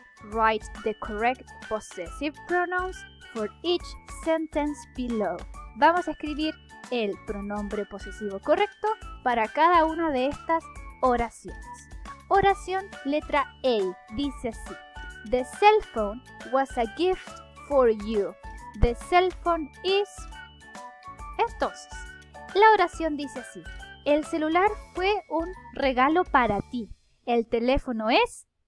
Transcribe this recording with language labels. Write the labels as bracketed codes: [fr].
[en] Write the correct possessive pronouns for each sentence below. [es] Vamos a escribir el pronombre posesivo correcto para cada una de estas oraciones. Oración letra A dice así. [en] The cell phone was a gift for you. The cell phone is... [es] Entonces, la oración dice así. El celular fue un regalo para ti. El teléfono es...